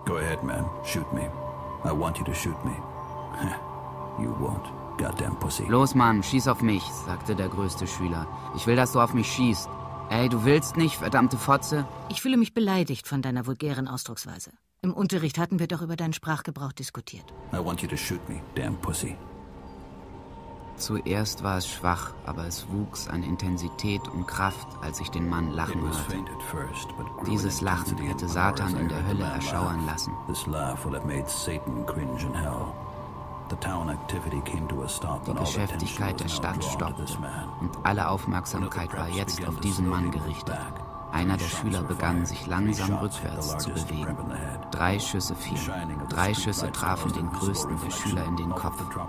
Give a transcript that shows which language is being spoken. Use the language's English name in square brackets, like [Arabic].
[English] Go ahead, man. Shoot me. I want you to shoot me. You won't. Goddamn Pussy. [German] Los, Mann, schieß auf mich, sagte der größte Schüler. Ich will, dass du auf mich schießt. Ey, du willst nicht, verdammte Fotze? Ich fühle mich beleidigt von deiner vulgären Ausdrucksweise. Im Unterricht hatten wir doch über deinen Sprachgebrauch diskutiert. [English] I want you to shoot me, damn Pussy. [German] Zuerst war es schwach, aber es wuchs an Intensität und Kraft, als ich den Mann lachen hörte. Dieses Lachen hätte Satan in der Hölle erschauern lassen. [English] This laugh would have made Satan cringe in hell. [German] Die Geschäftigkeit der Stadt stoppte und alle Aufmerksamkeit war jetzt auf diesen Mann gerichtet. Einer der Schüler begann, sich langsam rückwärts zu bewegen. Drei Schüsse fielen. Drei Schüsse trafen den größten der Schüler in den Kopf.